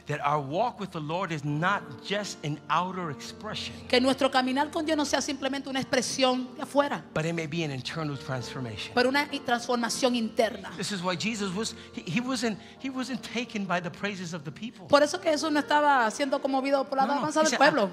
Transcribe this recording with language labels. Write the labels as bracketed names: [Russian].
[English] That our walk with the Lord is not just an outer expression. [Spanish] Que nuestro caminar con Dios no sea simplemente una expresión de afuera. [English] But it may be an internal transformation. [Spanish] Pero una transformación interna. [English] This is why Jesus wasn't taken by the praises of the people. [Spanish] Por eso que Jesús no estaba siendo conmovido por la alabanza del pueblo.